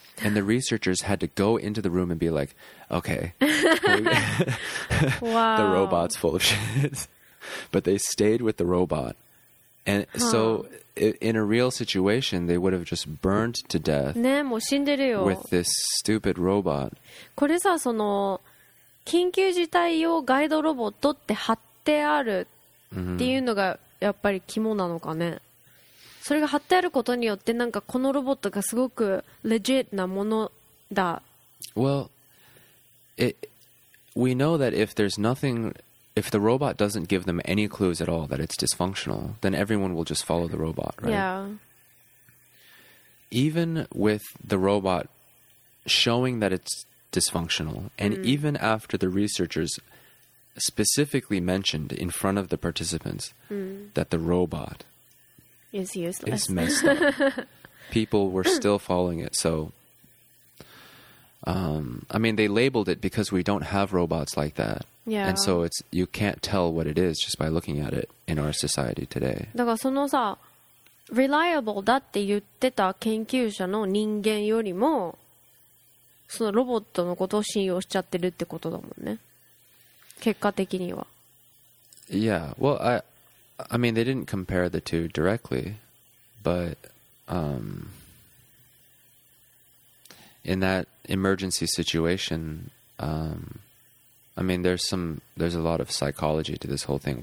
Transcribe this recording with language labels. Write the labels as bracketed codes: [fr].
[en] And the researchers had to go into the room and be like, okay, wow. The robot's full of shit. But they stayed with the robot. And so in a real situation, they would have just burned to death、 [ja] ね、もう死んでるよ [en] with this stupid robot. [ja] これさ、その緊急事態用ガイドロボットって貼ってあるっていうのがやっぱり肝なのかね。それが貼ってあることによってなんかこのロボットがすごく legit なものだ。 [en] Well, we know that if there's nothing, if the robot doesn't give them any clues at all that it's dysfunctional, then everyone will just follow the robot, right? Yeah. Even with the robot showing that it's dysfunctional, and even after the researchers specifically mentioned in front of the participants that the robot It's useless. It's messed up. People were still following it, so I mean, they labeled it because we don't have robots like that. Yeah. And so it's, you can't tell what it is just by looking at it in our society today. [ja] だからそのさ、reliable だって言ってた研究者の人間よりも、そのロボットのことを信用しちゃってるってことだもんね。結果的には。 [en] Yeah. Well, I mean, they didn't compare the two directly, but, in that emergency situation, I mean, there's a lot of psychology to this whole thing.